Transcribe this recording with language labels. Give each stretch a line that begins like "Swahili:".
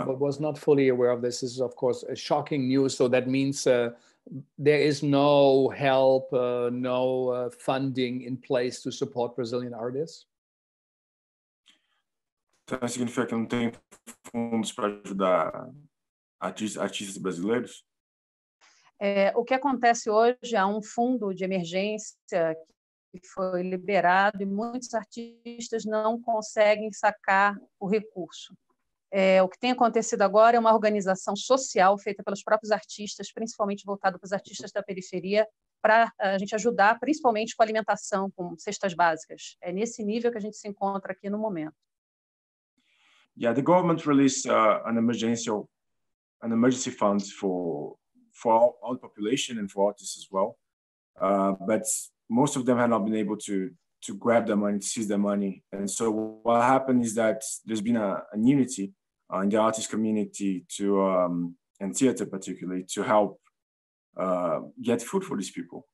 English: was not fully aware of this. This is, of course, a shocking news. So that means there is no help, no funding in place to support Brazilian artists?
Portuguese: Então, significa que não tem fundos para ajudar artistas brasileiros? O que acontece hoje, há um fundo de emergência que foi liberado e muitos artistas não conseguem sacar o recurso. O que tem acontecido agora é uma organização social feita pelos próprios artistas, principalmente voltado para os artistas da periferia, para a gente ajudar, principalmente com alimentação, com cestas básicas. É nesse nível que a gente se encontra aqui no momento.
English: Yeah, the government released an emergency fund for all the population and for artists as well. But most of them have not been able to grab the money, to seize the money. And so what happened is that there's been an unity in the artist community and theater particularly, to help get food for these people.